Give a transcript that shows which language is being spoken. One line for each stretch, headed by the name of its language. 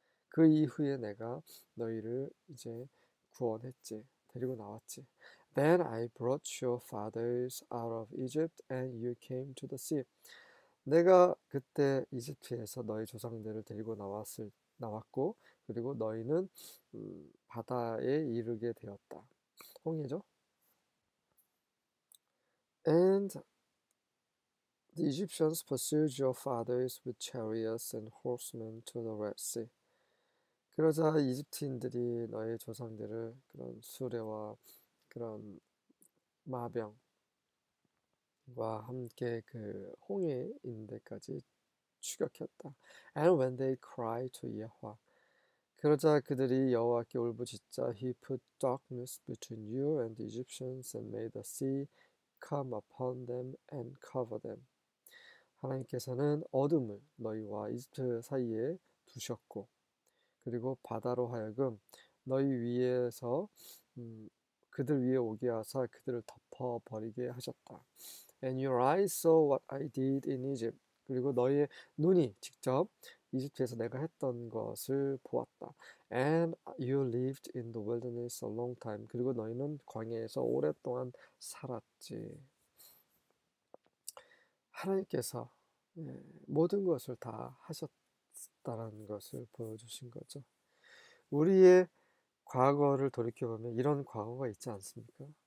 Korean: 그 이후에 내가 너희를 이제 구원했지, 데리고 나왔지.
English: Then I brought your fathers out of Egypt, and you came to the sea.
Korean: 내가 그때 이집트에서 너희 조상들을 데리고 나왔고, 그리고 너희는 바다에 이르게 되었다. 홍해죠?
English: And the Egyptians pursued your fathers with chariots and horsemen to the Red Sea.
Korean: 그러자 이집트인들이 너희 조상들을 그런 수레와 그런 마병, 와 함께 그 홍해인데까지 추격했다.
English: And when they cry to Yahweh,
Korean: 그러자 그들이 여호와께 울부짖자,
English: He put darkness between you and the Egyptians and made the sea come upon them and cover them.
Korean: 하나님께서는 어둠을 너희와 이집트 사이에 두셨고, 그리고 바다로 하여금 너희 위에서 그들 위에 오게 하사 그들을 덮어 버리게 하셨다.
English: And your eyes saw what I did in Egypt.
Korean: 그리고 너희의 눈이 직접 이집트에서 내가 했던 것을 보았다.
English: And you lived in the wilderness a long time.
Korean: 그리고 너희는 광야에서 오랫동안 살았지. 하나님께서 모든 것을 다 하셨다는 것을 보여주신 거죠. 우리의 과거를 돌이켜보면 이런 과거가 있지 않습니까?